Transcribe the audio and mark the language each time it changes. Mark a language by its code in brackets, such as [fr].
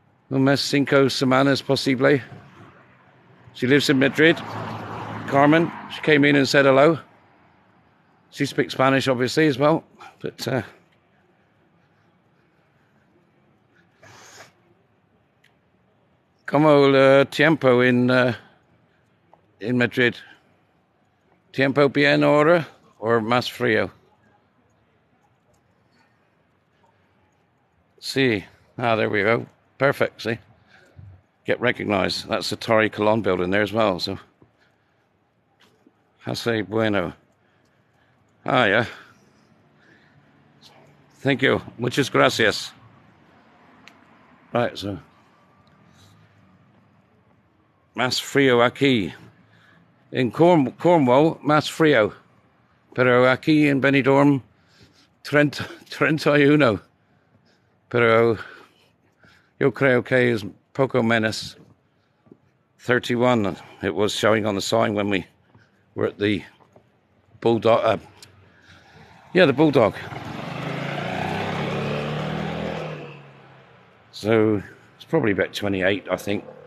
[es] Unas cinco semanas posible. [en] She lives in Madrid. Carmen, she came in and said hello. She speaks Spanish, obviously, as well. [es] But ¿cómo el tiempo en Madrid? ¿Tiempo bien ahora or más frío? [en] Sí. Ah, there we go. Perfect, see? Get recognized. That's the Torre Colón building there as well, so. [es] Hace bueno. [en] Ah, yeah. Thank you. [es] Muchas gracias. [en] Right, so. [es] Más frío aquí. [en] In Cornwall, [es] más frío. Pero aquí en Benidorm, 31. Pero yo creo que es poco menos. 31. [en] It was showing on the sign when we were at the Bulldog. The Bulldog. So it's probably about 28, I think.